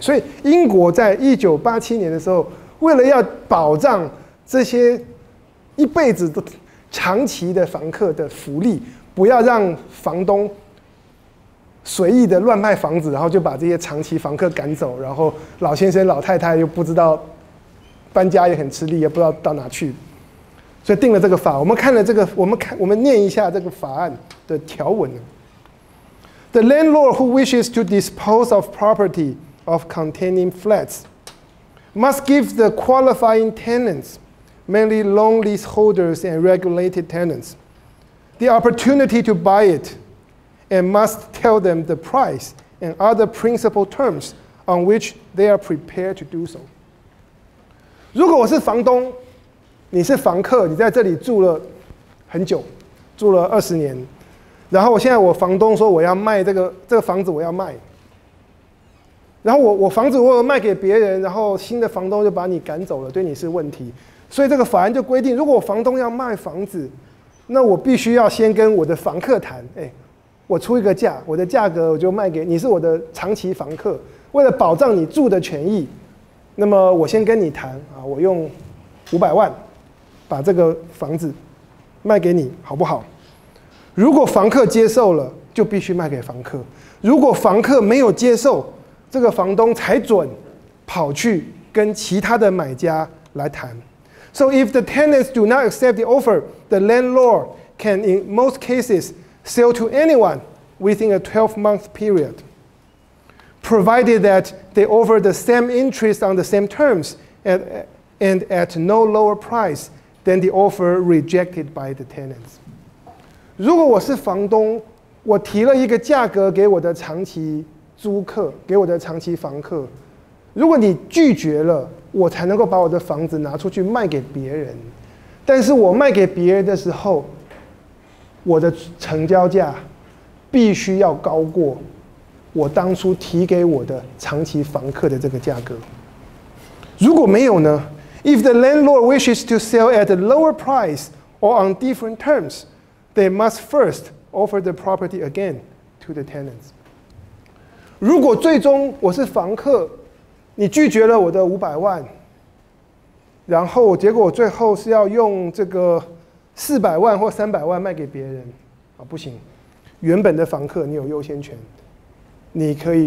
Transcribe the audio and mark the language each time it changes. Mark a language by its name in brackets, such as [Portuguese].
[Chinese] 所以英国在1987年的时候，为了要保障这些一辈子都长期的房客的福利，不要让房东随意的乱卖房子，然后就把这些长期房客赶走，然后老先生老太太又不知道搬家也很吃力，也不知道到哪去，所以定了这个法。我们看了这个，我们念一下这个法案的条文。 [English] The landlord who wishes to dispose of property of containing flats must give the qualifying tenants, mainly long leaseholders and regulated tenants, the opportunity to buy it and must tell them the price and other principal terms on which they are prepared to do so. [Chinese] 如果我是房东，你是房客，你在这里住了很久，住了20年，然后现在我房东说我要卖这个房子，我要卖，然后我房子我有卖给别人，然后新的房东就把你赶走了，对你是问题。所以这个法案就规定，如果我房东要卖房子，那我必须要先跟我的房客谈，我出一个价，我的价格我就卖给你，是我的长期房客，为了保障你住的权益，那么我先跟你谈啊，我用500万把这个房子卖给你，好不好？如果房客接受了，就必须卖给房客；如果房客没有接受，这个房东才准跑去跟其他的买家来谈。 [English] So if the tenants do not accept the offer, the landlord can, in most cases, sell to anyone within a 12-month period, provided that they offer the same interest on the same terms and at no lower price than the offer rejected by the tenants. [Chinese] 如果我是房东，我提了一个价格给我的长期租客，给我的长期房客，如果你拒绝了，我才能够把我的房子拿出去卖给别人，但是我卖给别人的时候，我的成交价必须要高过我当初提给我的长期房客的这个价格。如果没有呢？ [English] If the landlord wishes to sell at a lower price or on different terms, they must first offer the property again to the tenants. [Chinese] 如果最终我是房客，你拒绝了我的500万，然后结果最后是要用这个400万或300万卖给别人，啊，不行，原本的房客你有优先权，你可以。